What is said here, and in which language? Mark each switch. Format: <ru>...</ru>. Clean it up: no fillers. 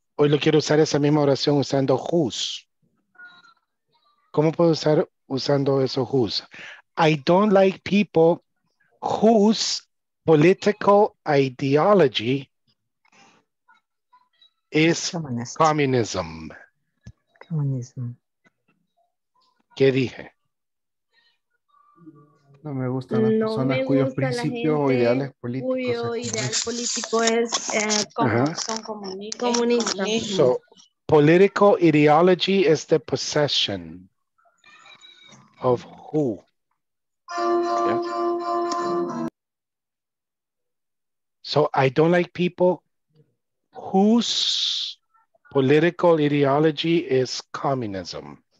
<es>Hoy lo quiero usar esa misma oración usando whose. ¿Cómo puedo usar usando eso whose?</es> <en>I don't like people whose political ideology is communist. Communism. Communism.</en> <es>¿Qué dije? No me gustan las personas cuyos principios o ideales políticos. Cuyo ideal político es comunista.</es> <en>So, political ideology is the possession of who? Yeah. So, I don't like people whose political ideology is communism.</en>